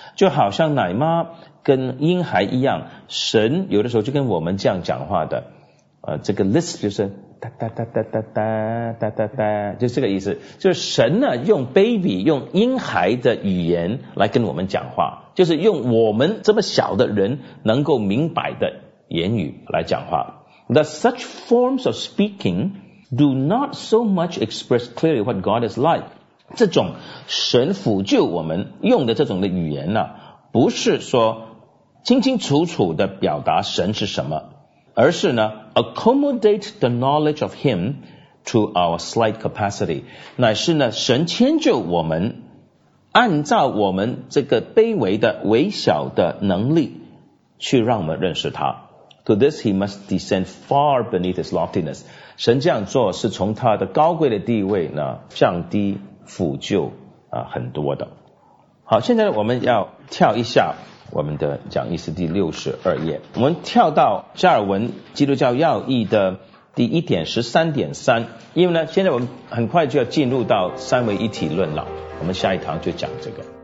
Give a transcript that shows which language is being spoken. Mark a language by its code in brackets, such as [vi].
[zh] 就好像奶妈跟婴孩一样，神有的时候就跟我们这样讲话的。这个 lisp 就是哒哒哒哒哒哒哒哒哒，就这个意思。就是神呢，用 baby, 用婴孩的语言来跟我们讲话，就是用我们这么小的人能够明白的言语来讲话。 [en] That such forms of speaking do not so much express clearly what God is like. [zh] 这种神辅救我们用的这种的语言呢，不是说清清楚楚的表达神是什么，而是呢 [en] accommodate the knowledge of Him to our slight capacity. [zh] 乃是呢神迁就我们，按照我们这个卑微的微小的能力去让我们认识他。 [en] To this he must descend far beneath his loftiness. [zh] 神这样做是从他的高贵的地位呢降低辅救很多的。好，现在我们要跳一下我们的讲义是第62页。我们跳到加尔文基督教要义的第1.13.3，因为呢现在我们很快就要进入到三位一体论了，我们下一堂就讲这个。